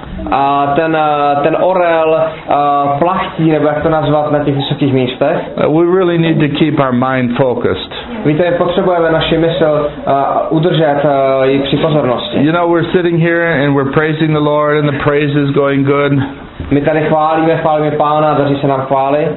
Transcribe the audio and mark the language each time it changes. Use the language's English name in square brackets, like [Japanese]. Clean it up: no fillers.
[Czech] A ten orel plachtí, nebo jak to nazvat, na těch vysokých místech. [English] We really need to keep our mind focused. [Czech] Víte, potřebujeme naši mysl udržet ji při pozornosti. [English] You know, we're sitting here and we're praising the Lord and the praise is going good. [Czech] My tady chválíme Pána, daří se nám chvály.